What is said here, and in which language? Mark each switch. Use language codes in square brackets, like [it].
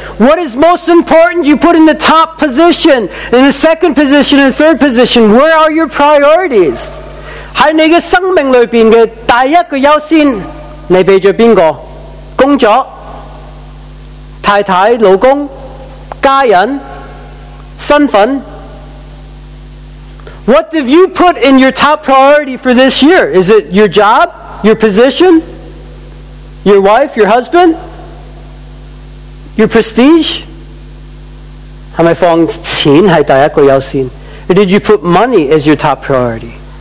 [en] What is most important you put in the top position, in the second position, in the third position? Where are your priorities? [zh] 在你的生命里面的第一个优先，你给了谁？工作、太太、老公、家人、身份。 [en] What have you put in your top priority for this year? Is it your job? Your position? Your wife? Your husband? Your prestige? Or did you put money as your top priority?